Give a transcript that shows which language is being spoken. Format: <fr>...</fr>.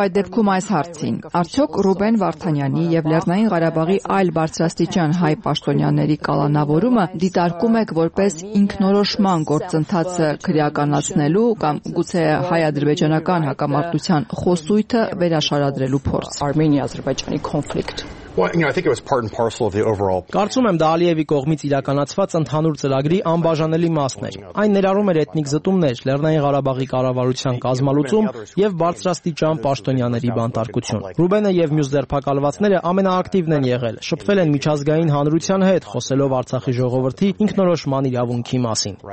<hy>այդ դեպքում այս հարցին, արդյոք Ռուբեն Վարդանյանի եւ Լեռնային Ղարաբաղի այլ բարձրաստիճան հայ պաշտոնյաների կալանավորումը դիտարկում եք որպես ինքնորոշման գործընթացը քրեականացնելու կամ գուցե հայ-ադրբեջանական հակամարտության խոսույթը վերաշարադրելու փորձ?</hy> <en>Armenia-Azerbaijani conflict. Well, you know, I think it was part and parcel of the overall.</en> <hy>Կարծում եմ, դա Ալիևի կողմից իրականացված ընդհանուր ծրագրի անբաժանելի մասն էր։ Այն ներառում էր էթնիկ զտումներ, Լեռնային Ղարաբաղի կառավարության կազմալուծում եւ բարձրաստիճան պաշտոնյաների բանտարկություն։ Ռուբենը եւ մյուս ձերբակալվածները ամենաակտիվն են եղել, շփվել են միջազգային հանրության հետ, խոսելով Արցախի ժողովրդի ինքնորոշման իրավունքի մասին։</hy>